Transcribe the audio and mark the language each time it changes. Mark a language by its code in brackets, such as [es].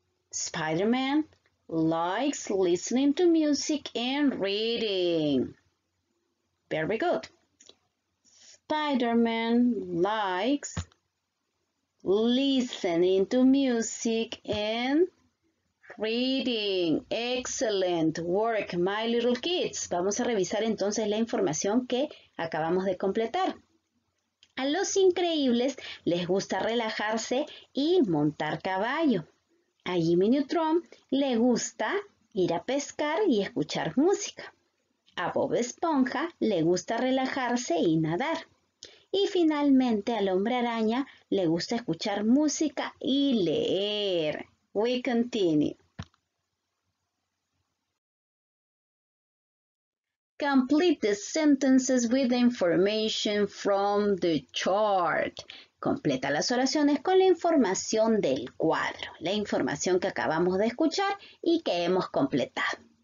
[en] Spider-Man likes listening to music and reading. Very good. Spider-Man likes listening to music and reading. Excellent work, my little kids. [es] Vamos a revisar entonces la información que acabamos de completar. A los increíbles les gusta relajarse y montar caballo. A Jimmy Neutron le gusta ir a pescar y escuchar música. A Bob Esponja le gusta relajarse y nadar. Y finalmente al hombre araña le gusta escuchar música y leer. [en] We continue. Complete the sentences with the information from the chart. [es] Completa las oraciones con la información del cuadro, la información que acabamos de escuchar y que hemos completado.